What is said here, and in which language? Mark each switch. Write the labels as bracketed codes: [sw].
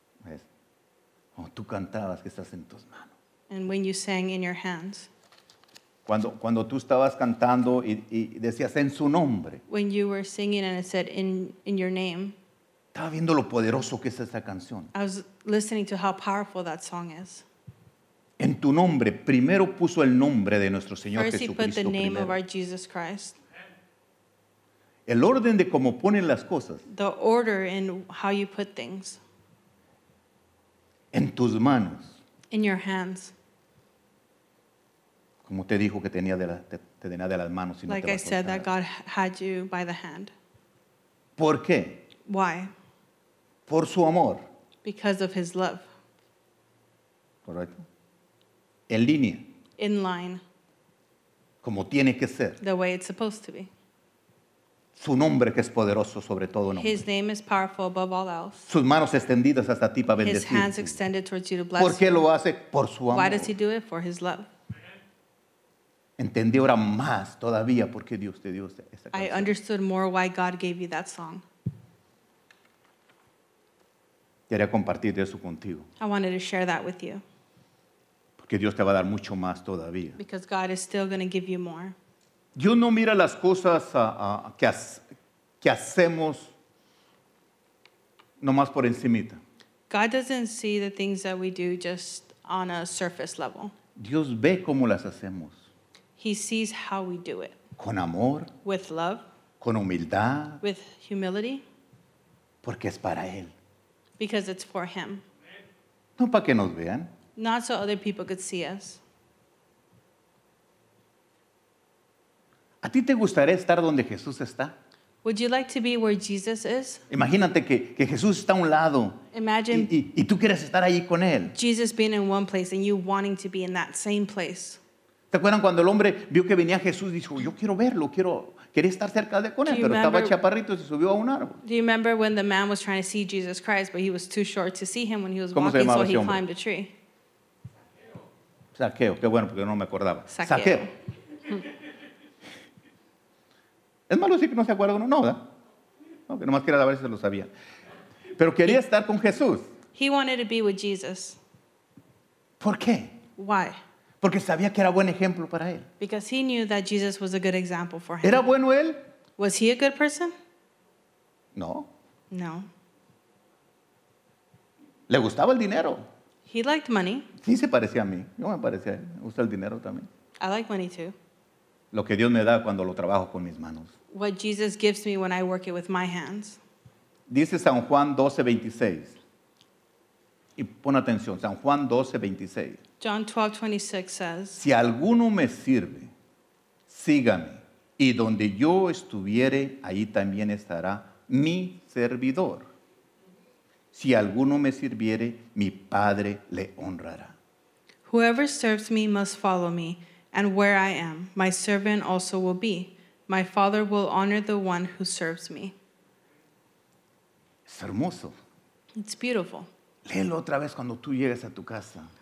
[es] Es. Oh, tú cantabas que estás en tus manos. [en] And when you sang in your hands. [es] Cuando tú estabas cantando y decías en su nombre. [en] When you were singing and it said in your name. [es] Estaba viendo lo poderoso que es esa canción. [en] I was listening to how powerful that song is. [es] En tu nombre, primero puso el nombre de nuestro Señor [en] first [es] Jesucristo. [en] First he put the name [es] primero. [en] Of our Jesus Christ. [es] El orden de cómo ponen las cosas. [en] The order in how you put things. [es] En tus manos. [en] In your hands. [es] Como te dijo que tenía de te tenía de las manos. Si [en] like [es] no te [en] I said that God had you by the hand. [es] ¿Por qué? [en] Why? [es] Por su amor. [en] Because of his love. [es] Correcto. En línea. [en] In line. [es] Como tiene que ser. [en] The way it's supposed to be. [es] Su nombre que es poderoso sobre todo nombre. [en] His name is powerful above all else. [es] Sus manos extendidas hasta ti para bendecir. [en] His hands extended towards you to bless you. [es] ¿Por qué [en] you? [es] Lo hace? Por su amor. [en] Why does he do it? For his love. [es] Entendí ahora más todavía por qué Dios te dio esta canción. [en] I understood more why God gave you that song. [es] Quería compartir eso contigo. [en] I wanted to share that with you. [es] Porque Dios te va a dar mucho más todavía. [en] Because God is still going to give you more. [es] Dios no mira las cosas que hacemos nomás por encimita. [en] God doesn't see the things that we do just on a surface level. [es] Dios ve cómo las hacemos. [en] He sees how we do it. [es] Con amor. [en] With love. [es] Con humildad. [en] With humility. [es] Porque es para Él. [en] Because it's for Him. [es] No para que nos vean. [en] Not so other people could see us. [es] ¿A ti te gustaría estar donde Jesús está? [en] Would you like to be where Jesus is? [es] Imagínate que Jesús está a un lado. [en] Imagine [es] y tú quieres estar ahí con Él. [en] Jesus being in one place and you wanting to be in that same place. [es] ¿Te acuerdan cuando el hombre vio que venía Jesús y dijo, yo quiero verlo, quería estar cerca de con él, pero estaba chaparrito y se subió a un árbol? [en] Do you remember when the man was trying to see Jesus Christ, but he was too short to see him when he was walking, so he climbed a tree? [es] Zaqueo, qué bueno, porque no me acordaba. Zaqueo. Es malo decir que no se acuerda uno, no, ¿verdad? No, que nomás quería saber si se lo sabía. Pero quería estar con Jesús. [en] He wanted to be with Jesus. [es] ¿Por qué? [en] Why? [es] Porque sabía que era buen ejemplo para él. [en] Because he knew that Jesus was a good example for him. [es] ¿Era bueno él? [en] Was he a good person? [es] No. [en] No. [es] ¿Le gustaba el dinero? [en] He liked money. [es] Sí, se parecía a mí. Yo me parecía a él. Me gusta el dinero también. [en] I like money too. [es] Lo que Dios me da cuando lo trabajo con mis manos. [en] What Jesus gives me when I work it with my hands. [es] Dice San Juan 12:26. Y pon atención, San Juan 12:26. [en] John 12:26 says, [es] si alguno me sirve, sígame, y donde yo estuviere, ahí también estará mi servidor. Si alguno me sirviere, mi Padre le honrará. [en] Whoever serves me must follow me, and where I am, my servant also will be. My Father will honor the one who serves me. [es] Es hermoso. [en] It's beautiful. [es] Léelo otra vez cuando tú llegues a tu casa.